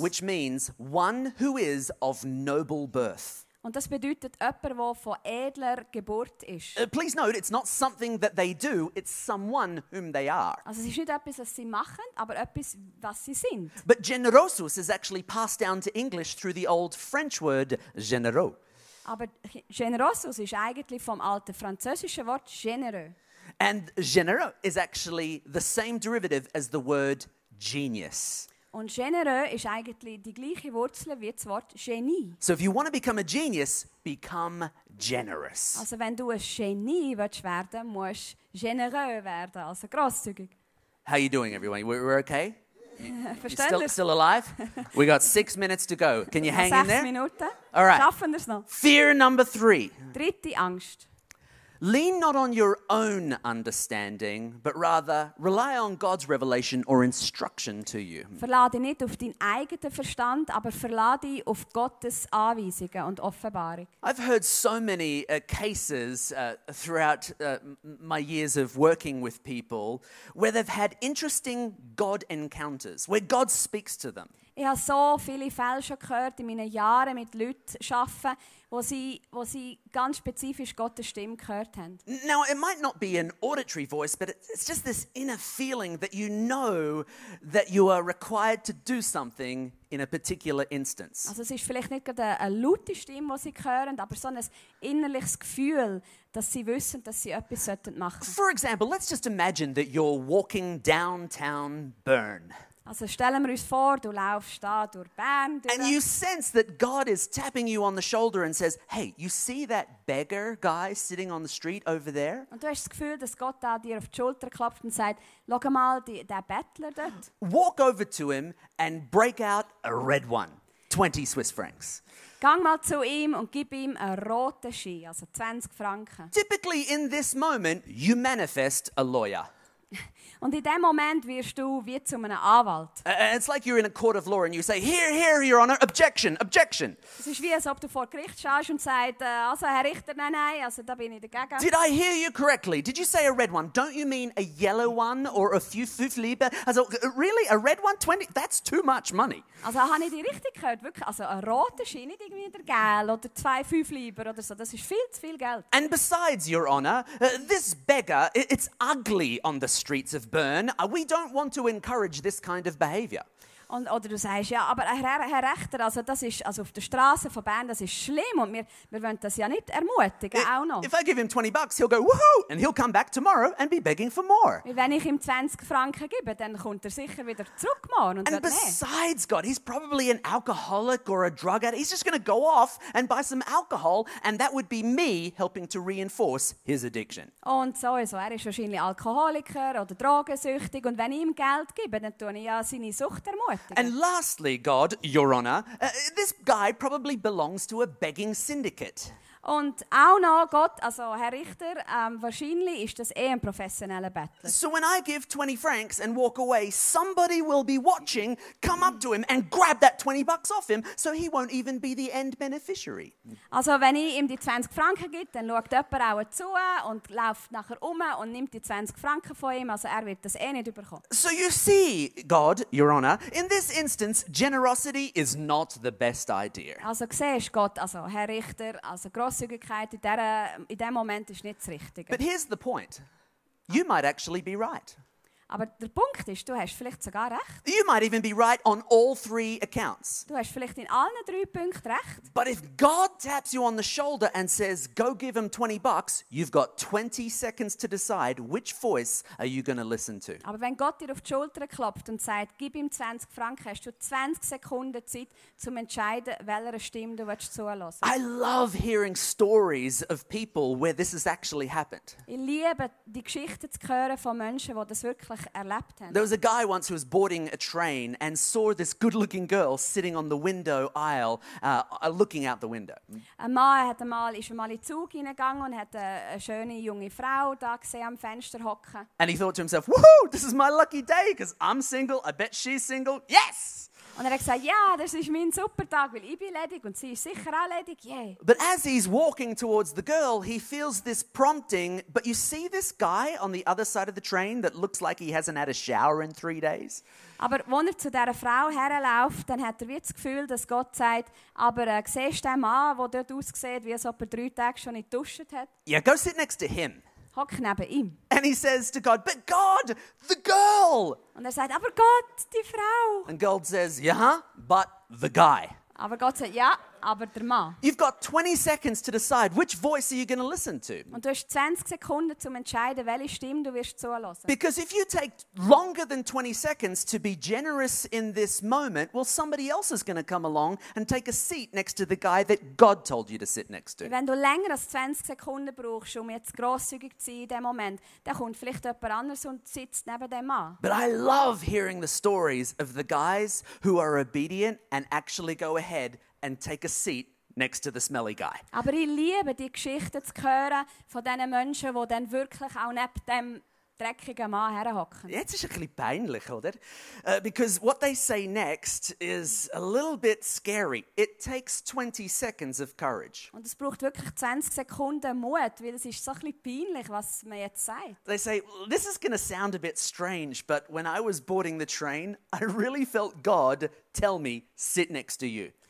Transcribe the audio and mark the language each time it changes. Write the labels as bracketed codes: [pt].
[en] which means one who is of noble birth. [de] Und das bedeutet jemand, der von edler Geburt ist. [en] Please note, it's not something that they do, it's someone whom they are. [de] Also es ist nicht etwas, was sie machen, aber etwas, was sie sind. [en] But generosus is actually passed down to English through the old French word généreux. [de] Aber generosus ist eigentlich vom alten französischen Wort généreux. [en] And généreux is actually the same derivative as the word genius. [de] Und généreux ist eigentlich die gleiche Wurzel wie das Wort Genie. [en] So if you want to become a genius, become generous. [de] Also wenn du ein Genie willst werden, musst généreux werden, also grosszügig. [en] How are you doing, everyone? We're okay? [de] Verständlich. [en] Still alive? We got 6 minutes to go. Can you hang in there? [de] 6 Minuten. [en] All right. [de] Schaffen wir es noch. [en] Fear number three. [de] Dritte Angst. [en] Lean not on your own understanding, but rather rely on God's revelation or instruction to you. [de] Verlade nicht auf deinen eigenen Verstand, aber verlade auf Gottes Anweisungen und Offenbarung. [en] I've heard so many cases throughout my years of working with people where they've had interesting God encounters, where God speaks to them. [de] Ich habe so viele Fälle schon gehört in meinen Jahren mit Leuten arbeiten, wo sie ganz spezifisch Gottes Stimme gehört haben. [en] Now, it might not be an auditory voice, but it's just this inner feeling that you know that you are required to do something in a particular instance. [de] Also es ist vielleicht nicht gerade eine laute Stimme, die sie hören, aber so ein innerliches Gefühl, dass sie wissen, dass sie etwas machen sollten. [en] For example, let's just imagine that you're walking downtown Bern. [de] Also stellen wir uns vor, du läufst da durch Bern. [en] And you sense that God is tapping you on the shoulder and says, hey, you see that beggar guy sitting on the street over there? [de] Und du hast das Gefühl, dass Gott da dir auf die Schulter klopft und sagt, schau mal, der Bettler dort. [en] Walk over to him and break out a red one, 20 Swiss francs. [de] Gang mal zu ihm und gib ihm einen roten Schein, also 20 Franken. [en] Typically in this moment, you manifest a lawyer. [de] Und in dem Moment wirst du wie zu einem Anwalt. [en] It's like you're in a court of law and you say, here, Your Honor, objection, objection. [de] Es ist wie, als ob du vor Gericht schaust und sagst, also Herr Richter, nein, also da bin ich dagegen. [en] Did I hear you correctly? Did you say a red one? Don't you mean a yellow one or a few fünf Liebe? Also, really, a red one, 20? That's too much money. [de] Also, habe ich dich richtig gehört? Wirklich, also ein roter Schein, nicht irgendwie der Gel oder zwei fünf Liebe oder so. Das ist viel zu viel Geld. [en] And besides, Your Honor, this beggar, it's ugly on the streets of Bern. We don't want to encourage this kind of behavior. [de] Und, oder du sagst, ja, aber Herr Rechter, also das ist, also auf der Straße von Bern, das ist schlimm und wir wollen das ja nicht ermutigen, auch noch. [en] If I give him 20 bucks, he'll go woohoo and he'll come back tomorrow and be begging for more. [de] Wenn ich ihm 20 Franken gebe, dann kommt er sicher wieder zurück morgen. [en] And besides God, he's probably an alcoholic or a drug addict. He's just going to go off and buy some alcohol and that would be me helping to reinforce his addiction. [de] Und so, er ist wahrscheinlich Alkoholiker oder drogensüchtig und wenn ich ihm Geld gebe, dann tue ich ja seine Sucht ermutigen. [en] And lastly, God, Your Honor, this guy probably belongs to a begging syndicate. [de] Und auch noch, Gott, also Herr Richter, wahrscheinlich ist das ein professioneller Bettler. [en] So when I give 20 francs and walk away, somebody will be watching, come up to him and grab that 20 bucks off him, so he won't even be the end beneficiary. [de] Also wenn ich ihm die 20 Franken gebe, dann schaut jemand auch zu und läuft nachher um und nimmt die 20 Franken von ihm, also er wird das nicht überkommen. [en] So you see, God, Your Honor, in this instance, generosity is not the best idea. [de] Also siehst du, Gott, also Herr Richter, also Grosszügigkeit in dem Moment ist nicht das Richtige. [en] But here's the point. You might actually be right. [de] Aber der Punkt ist, du hast vielleicht sogar recht. [en] You might even be right on all three accounts. [de] Du hast vielleicht in allen drei Punkten recht. [en] But if God taps you on the shoulder and says, go give him 20 bucks, you've got 20 seconds to decide, which voice are you going to listen to? [de] Aber wenn Gott dir auf die Schulter klopft und sagt, gib ihm 20 Franken, hast du 20 Sekunden Zeit, um zu entscheiden, welcher Stimme du zuhören willst. [en] I love hearing stories of people where this has actually happened. [de] Ich liebe, die Geschichten zu hören von Menschen, die das wirklich. [en] There was a guy once who was boarding a train and saw this good-looking girl sitting on the window aisle, looking out the window. [de] Ein Mann hat einmal, ist einmal in den Zug hineingegangen und hat eine schöne junge Frau da gesehen am Fenster hocken. [en] And he thought to himself, woohoo, this is my lucky day, because I'm single, I bet she's single, yes! [de] Und er hat gesagt, ja, das ist mein super Tag, weil ich bin ledig und sie ist sicher auch ledig, yay. [en] But as he's walking towards the girl, he feels this prompting, but you see this guy on the other side of the train that looks like he hasn't had a shower in 3 days? [de] Aber wenn er zu dieser Frau herläuft, dann hat er wie das Gefühl, dass Gott sagt, aber siehst du den Mann, der dort aussieht, wie als ob er 3 Tage schon nicht duscht hat? [en] Yeah, go sit next to him. [de] Hock neben ihm. [en] And he says to God, but God, the girl. [de] Und er sagt, aber Gott, die Frau. [en] And God says, yeah, but the guy. [de] Aber Gott sagt, ja, aber der Mann. [en] You've got 20 seconds to decide which voice are you going to listen to. [de] Und du hast 20 Sekunden zum entscheiden, welche Stimme du wirst zuhören. [en] Because if you take longer than 20 seconds to be generous in this moment, well, somebody else is going to come along and take a seat next to the guy that God told you to sit next to. [de] Wenn du länger als 20 Sekunden brauchst, um jetzt grosszügig zu sein in dem Moment, dann kommt vielleicht jemand anders und sitzt neben dem Mann. [en] But I love hearing the stories of the guys who are obedient and actually go ahead and take a seat next to the smelly guy. [de] Aber ich liebe die Geschichten zu hören von diesen Menschen, die dann wirklich auch neben dem dreckigen Mann herhocken. Jetzt ist es ein bisschen peinlich, oder? [en] Because what they say next is a little bit scary. It takes 20 seconds of courage. [de] Und es braucht wirklich 20 Sekunden Mut, weil es ist so ein bisschen peinlich, was man jetzt sagt. [en] They say, this is going to sound a bit strange, but when I was boarding the train, I really felt God tell me, sit next to you.